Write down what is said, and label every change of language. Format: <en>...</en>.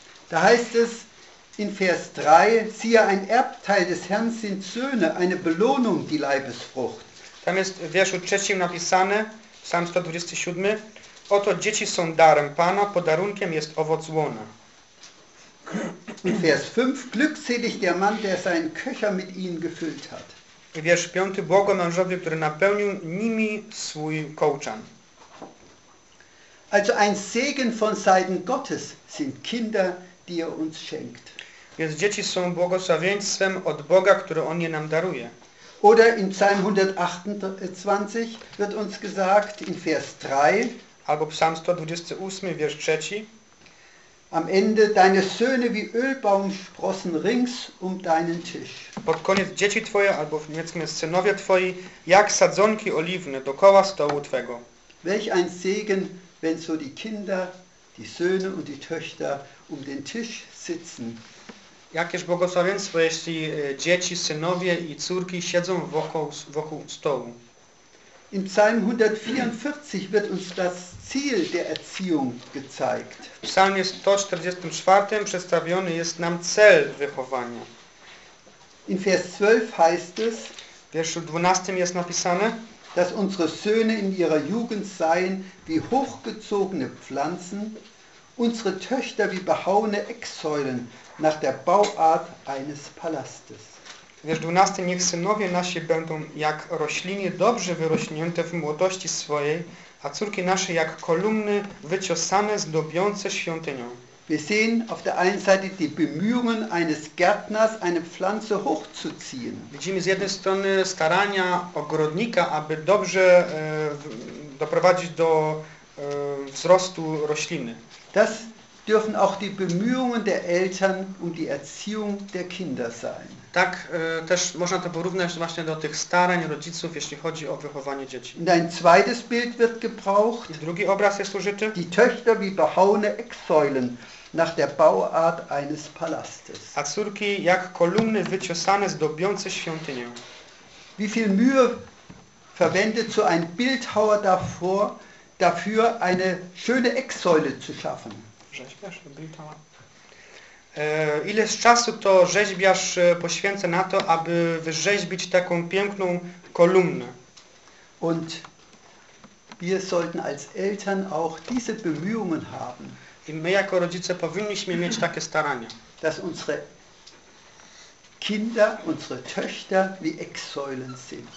<de>Da heißt es in Vers 3, siehe, ein Erbteil des Herrn sind Söhne, eine Belohnung, die Leibesfrucht.</de> <pl>Tam jest w wierszu trzecim napisane, Psalm 127, oto dzieci są darem Pana, podarunkiem jest owoc łona.</pl> <de>Vers 5, glückselig der Mann, der seinen Köcher mit ihnen gefüllt hat.</de> <pl>Wiersz 5, błogo mężowi, który napełnił nimi swój kołczan.</pl> <de>Also ein Segen von Seiten Gottes sind Kinder, die er uns schenkt.</de> <pl>Więc dzieci są błogosławieństwem od Boga, które On je nam daruje.</pl> <de>Oder in Psalm 128 wird uns gesagt, in Vers 3,</de> <pl>albo Psalm 128, wiersz 3,</pl> <de>Am Ende deine Söhne wie Ölbaumsprossen rings um deinen Tisch.</de> <pl>Pod koniec dzieci twoje, albo w niemieckim jest synowie twoi, jak sadzonki oliwne dookoła stołu twego.</pl> <de>Welch ein Segen, wenn so die Kinder, die Söhne und die Töchter um den Tisch sitzen.</de> <pl>Jakież błogosławieństwo, jeśli dzieci, synowie i córki siedzą wokół stołu.</pl> <de>In Psalm 144 wird uns das Ziel der Erziehung gezeigt.</de> <pl>W Psalmie 144 przedstawiony jest nam cel wychowania.</pl> <de>In Vers 12 heißt es,</de> <pl>w wierszu 12 jest napisane,</pl> <de>dass unsere Söhne in ihrer Jugend seien wie hochgezogene Pflanzen, unsere Töchter wie behauene Ecksäulen nach der Bauart eines Palastes.</de> <pl>Wiersz 12, niech synowie nasi będą jak rośliny dobrze wyrośnięte w młodości swojej, a córki nasze jak kolumny wyciosane, zdobiące świątynią.</pl> <de>Wir sehen auf der einen Seite die Bemühungen eines Gärtners, eine Pflanze hochzuziehen.</de> <pl>Widzimy z jednej strony starania ogrodnika, aby dobrze doprowadzić do wzrostu rośliny.</pl> <de>Das dürfen auch die Bemühungen der Eltern um die Erziehung der Kinder sein.</de> <pl>Tak też można to porównać właśnie do tych starań rodziców, jeśli chodzi o wychowanie dzieci.</pl> <de>Und ein zweites Bild wird gebraucht.</de> <pl>I drugi obraz jest użyty.</pl> <de>Die Töchter wie behauene Ecksäulen nach der Bauart eines Palastes.</de> <pl>A córki jak kolumny wyciosane, zdobiące świątynię.</pl> <de>Wie viel Mühe verwendet so ein Bildhauer dafür eine schöne Ecksäule zu schaffen?</de> <pl>Rzeźbiarz, Bildhauer. Ile czasu to rzeźbiarz poświęca na to, aby wyrzeźbić taką piękną kolumnę?</pl> <de>Und wir sollten als Eltern auch diese Bemühungen haben.</de> <pl>I my jako rodzice powinniśmy mieć takie starania.</pl> <de>Dass unsere Kinder, unsere Töchter wie Ecksäulen sind.</de>